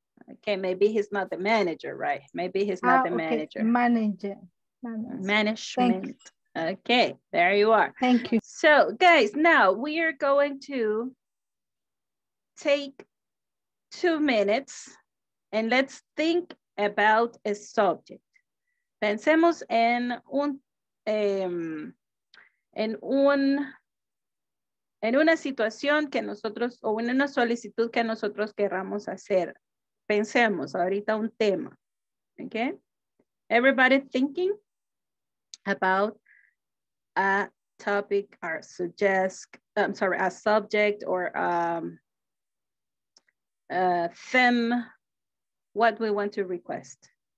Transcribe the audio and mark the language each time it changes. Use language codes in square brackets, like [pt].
[en] Okay, maybe he's not the manager, right? Maybe he's not the manager. Manager. Management. Okay, there you are. Thank you. So, guys, now we are going to take 2 minutes and let's think about a subject. [es] Pensemos en una situación que nosotros, o en una solicitud que nosotros querramos hacer. Pensemos ahorita un tema. Okay? [en] Everybody thinking about a topic or a subject or a theme, what we want to request.